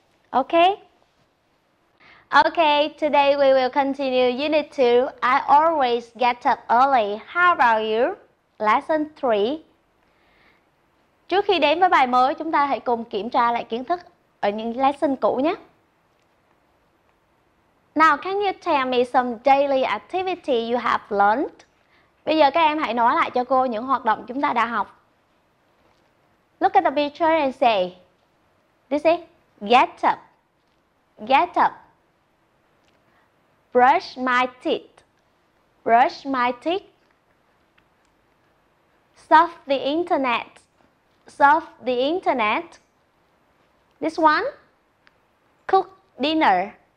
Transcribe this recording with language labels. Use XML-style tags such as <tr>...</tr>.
<en>Ok? Ok, today we will continue Unit 2, I always get up early. How about you? Lesson 3.</en> <vi>Trước khi đến với bài mới, chúng ta hãy cùng kiểm tra lại kiến thức ở những lesson cũ nhé.</vi> <en>Now, can you tell me some daily activity you have learned?</en> <vi>Bây giờ các em hãy nói lại cho cô những hoạt động chúng ta đã học.</vi> <en>Look at the picture and say, this is get up, brush my teeth, surf the internet, this one, cook dinner,</en>